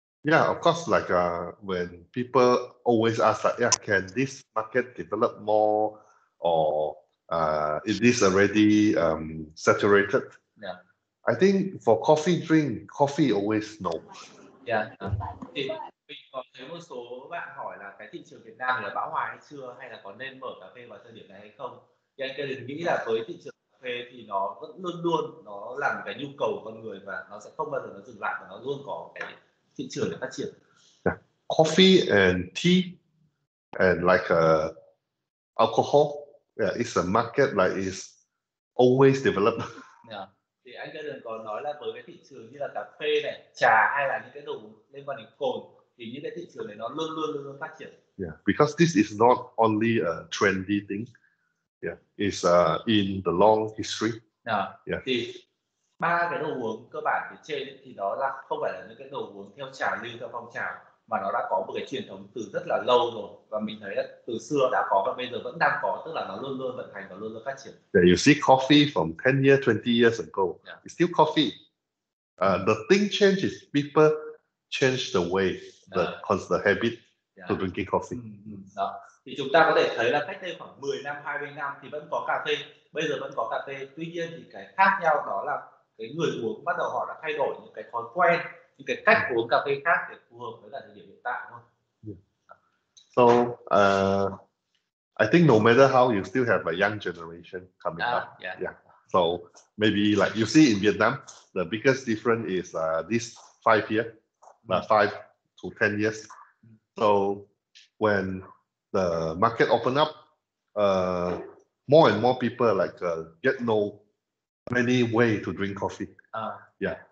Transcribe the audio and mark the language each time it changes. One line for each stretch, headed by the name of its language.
English: Of course, like when people always ask like, can this market develop more or is this already saturated? I think for coffee drink, coffee always no.
Vietnamese: Mình có thấy một số bạn hỏi là cái thị trường Việt Nam là bão hòa hay chưa, hay là có nên mở cà phê vào thời điểm này hay không? Thì anh Kaden nghĩ là với thị trường cà thuê thì nó vẫn luôn luôn nó làm cái nhu cầu của con người và nó sẽ không bao giờ nó dừng lại và nó luôn có cái thị trường để phát triển.
English: Yeah. Coffee and tea and like alcohol, yeah, it's a market like it's always develop. Yeah.
Vietnamese: Thì anh Jordan còn nói là với cái thị trường như là cà phê này, trà hay là những cái đồ liên quan đến cồn thì những cái thị trường này nó luôn luôn phát triển.
English: Yeah, because this is not only a trendy thing. Yeah, it's in the long history. Yeah. Yeah.
Vietnamese: Thì ba cái đồ uống cơ bản phía trên thì đó là không phải là những cái đồ uống theo trào lưu theo phong trào mà nó đã có một cái truyền thống từ rất là lâu rồi và mình thấy là từ xưa đã có và bây giờ vẫn đang có, tức là nó luôn luôn vận hành và luôn luôn phát triển.
English: Yeah, you see coffee from 10 years, 20 years ago. Yeah. It's still coffee. The thing changes, people change the way, the habit. Yeah. To drinking coffee.
Vietnamese: Đó. Thì chúng ta có thể thấy là cách đây khoảng 10 năm, 20 năm thì vẫn có cà phê, bây giờ vẫn có cà phê. Tuy nhiên thì cái khác nhau đó là cái người uống bắt đầu họ đã thay đổi những cái thói quen, những cái cách uống cà phê khác để phù hợp với cả thời điểm hiện tại thôi.
English: Yeah. So, I think no matter how, you still have a young generation coming up. Yeah. Yeah. So maybe like you see in Vietnam, the biggest difference is this 5 years, but 5 to 10 years. So when the market open up, more and more people like get know many way to drink coffee. Yeah.